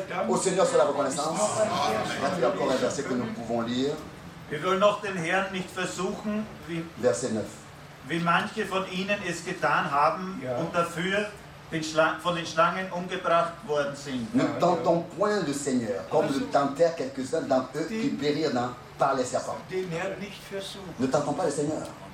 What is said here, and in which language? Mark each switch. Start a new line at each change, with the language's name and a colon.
French: Au Seigneur soit la reconnaissance. A-t-il encore un verset que nous pouvons lire?
German: Wir wollen noch den Herrn nicht versuchen,
French: verset 9.
German: Wie manche von ihnen es getan haben und dafür von den Schlangen umgebracht worden sind.
French: Ne tentons point le Seigneur, comme le tentèrent quelques-uns d'entre eux qui périrent par les serpents. Ne tentons pas le Seigneur.